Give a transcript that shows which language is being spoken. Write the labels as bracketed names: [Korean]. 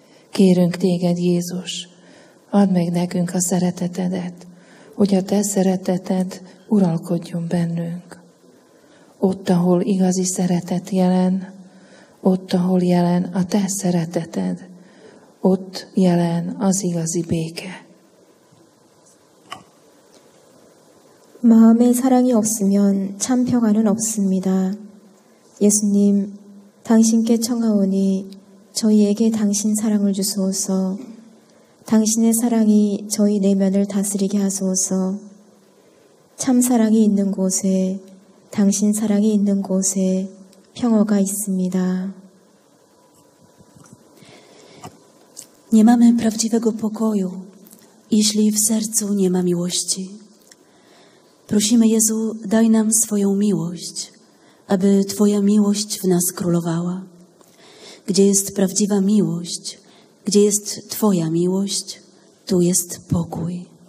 [Hungarian] Kérünk téged, Jézus, add meg nekünk a szeretetedet, hogy a te szereteted uralkodjon bennünk. Ott, ahol igazi szeretet jelen, ott, ahol jelen a te szereteted, ott jelen az igazi béke. [Korean] 마음의 사랑이 없으면 참 평화는 없습니다. 예수님, 당신께 청하오니 저희에게 당신 사랑을 주소서. 당신의 사랑이 저희 내면을 다스리게 하소서. 참 사랑이 있는 곳에, 당신 사랑이 있는 곳에 평화가 있습니다. [Polish] Nie mamy prawdziwego pokoju, jeśli w sercu nie ma miłości. Prosimy, Jezu, daj nam swoją miłość, aby Twoja miłość w nas królowała. Gdzie jest prawdziwa miłość, gdzie jest Twoja miłość, tu jest pokój.